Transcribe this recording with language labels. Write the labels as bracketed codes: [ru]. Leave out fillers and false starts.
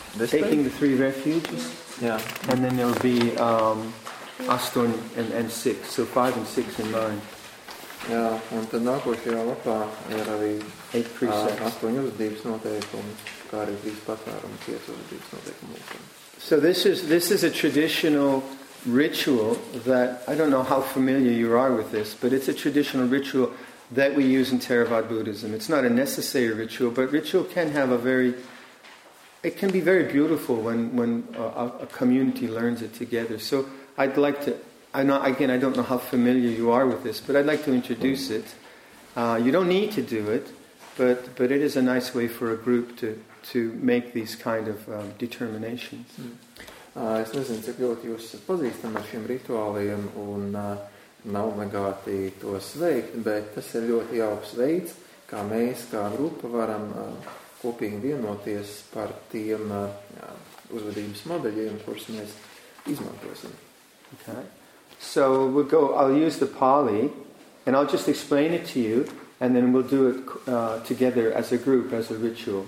[en] Taking the 3 refuges? Yeah. And then there'll be 8 and 6. So 5 and 6 in 9. [lv] Jā, un tad nākošajā lapā ir arī [en] 8 precepts, [lv] 8 uzvedības noteikumi, kā arī 3 patvērumi, 5 uzvedības noteikumi. [en] So this is a traditional ritual that I don't know how familiar you are with this, but it's a traditional ritual that we use in Theravada Buddhism. It's not a necessary ritual, but ritual can have it can be very beautiful when a community learns it together. So I'd like to I don't know how familiar you are with this, but I'd like to introduce it. You don't need to do it, But it is a nice way for a group to make these kind of determinations. [lv] Es nezinu, cik ļoti jūs esat pazīstami ar šiem rituāliem un nav negāti to sveikt, bet tas ir ļoti jauks veids, kā mēs, kā grupa, varam kopīgi vienoties par tiem uzvedības modeļiem, kurus mēs izmantosim. [en] Okay. So we'll go, I'll use the Pali, and I'll just explain it to you, and then we'll do it together as a group, as a ritual.